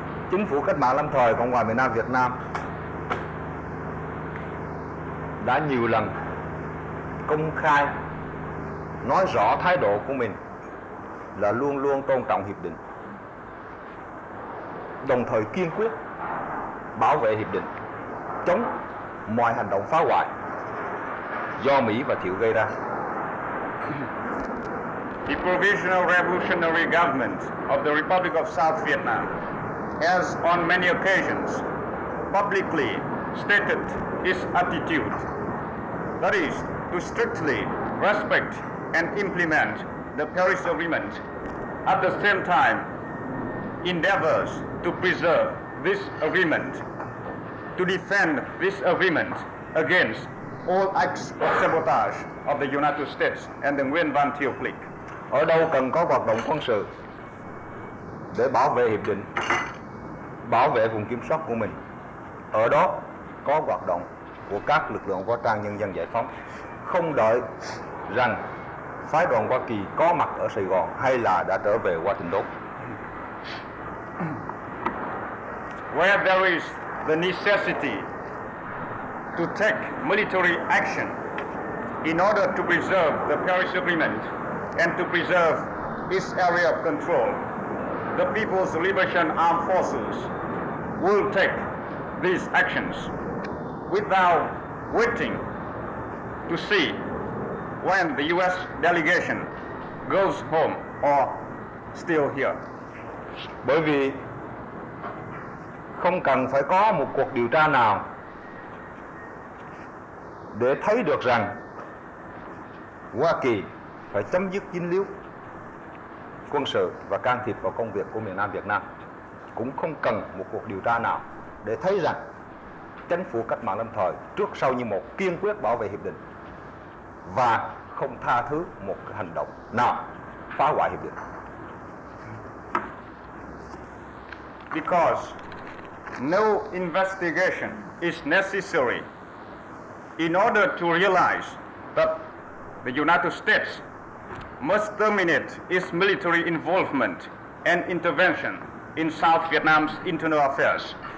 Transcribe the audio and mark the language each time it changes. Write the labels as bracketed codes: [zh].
[vi] Chính phủ cách mạng lâm thời Cộng hòa miền Nam Việt Nam đã nhiều lần công khai nói rõ thái độ của mình là luôn luôn tôn trọng hiệp định, đồng thời kiên quyết bảo vệ hiệp định, chống mọi hành động phá hoại do Mỹ và Thiệu gây ra. [en] The Provisional Revolutionary Government of the Republic of South Vietnam has on many occasions publicly stated its attitude, that is, to strictly respect and implement the Paris Agreement, at the same time endeavors to preserve this agreement, to defend this agreement against all acts of sabotage of the United States and the Nguyen Van Thieu clique. [vi] Ở đâu cần có hoạt động quân sự để bảo vệ hiệp định, bảo vệ vùng kiểm soát của mình, ở đó có hoạt động của các lực lượng võ trang Nhân dân Giải phóng, không đợi rằng phái đoàn Hoa Kỳ có mặt ở Sài Gòn hay là đã trở về Washington. [en] Where there is the necessity to take military action in order to preserve the Paris Agreement and to preserve its area of control, the People's Liberation Armed Forces will take these actions without waiting to see when the U.S. delegation goes home or still here. [vi] Bởi vì không cần phải có một cuộc điều tra nào để thấy được rằng Hoa Kỳ phải chấm dứt dính líu quân sự và can thiệp vào công việc của miền Nam Việt Nam. Cũng không cần một cuộc điều tra nào để thấy rằng chính phủ cách mạng lâm thời trước sau như một kiên quyết bảo vệ hiệp định và không tha thứ một hành động nào phá hoại hiệp định. [en] Because no investigation is necessary in order to realize that the United States must terminate its military involvement and intervention in South Vietnam's internal affairs.